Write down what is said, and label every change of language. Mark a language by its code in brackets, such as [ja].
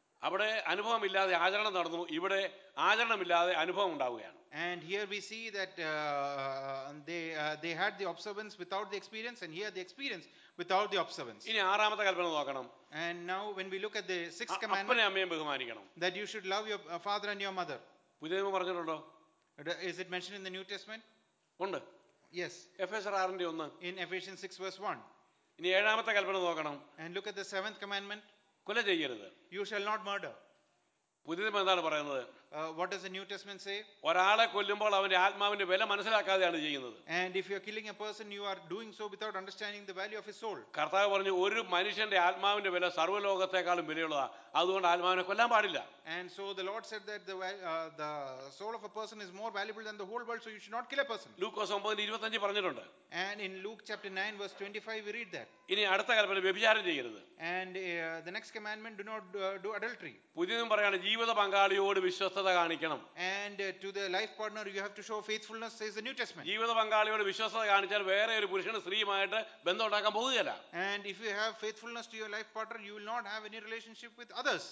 [ml] അവിടെ അനുഭവം ഇല്ലാതെ ആചരണം നടന്നു, ഇവിടെ ആചരണം ഇല്ലാതെ അനുഭവം ഉണ്ടാവുകയാണ്. [en] And here we see that they had the observance without the experience and here the experience without the observance. [ml] ഇനി ആറാമത്തെ കൽപ്പന നോക്കണം. [en] And now when we look at the sixth commandment, [ml] അപ്പനെയും അമ്മയെയും ബഹുമാനിക്കണം. [en] That you should love your father and your mother. [ml] പുതിയ നിയമം പറഞ്ഞിട്ടുണ്ടോ? [en] Is it mentioned in the New Testament? [ml] ഉണ്ട്. [en] Yes. Ephesians 6:1. In Ephesians 6:1. [ml] ഇനി ഏഴാമത്തെ കൽപ്പന നോക്കണം. [en] And look at the seventh commandment. [ml] കൊല ചെയ്യരുത്. [en] You shall not murder. [ml] പുതിയ നിയമം എന്താണ് പറയുന്നത്? [en] What does the New Testament say? [ml] ഒരാളെ കൊല്ലുമ്പോൾ അവന്റെ ആത്മാവിന്റെ വില മനസ്സിലാക്കാതെയാണ് ചെയ്യുന്നത്. [en] And if you are killing a person, you are doing so without understanding the value of his soul. [ml] കർത്താവ് പറഞ്ഞു ഒരു മനുഷ്യന്റെ ആത്മാവിന്റെ വില സർവ്വലോകത്തേക്കാളും വിലയുള്ളതാണ്, അതുകൊണ്ട് ആത്മാവിനെ കൊല്ലാൻ പാടില്ല. [en] And so the Lord said that the soul of a person is more valuable than the whole world, so you should not kill a person. [ml] ലൂക്കോസ് 9:25 പറഞ്ഞിട്ടുണ്ട്. [en] And in Luke chapter 9 verse 25 we read that. [ml] ഇനി അടുത്ത കൽപ്പന വ്യഭിചാരം ചെയ്യരുത്. [en] And the next commandment do not do adultery. [ml] പുതിയ നിയമം പറയുകയാണ് ജീവിത പങ്കാളിയോട് വിശ്വസ്തത കാണിക്കണം. [en] And to the life partner you have to show faithfulness, says the New Testament. [ml] ജീവിത പങ്കാളിയോട് വിശ്വസ്തത കാണിച്ചാൽ വേറെ ഒരു പുരുഷനും സ്ത്രീയുമായിട്ട് ബന്ധമുണ്ടാക്കാൻ പോവുകയല്ല. [en] And if you have faithfulness to your life partner you will not have any relationship with others.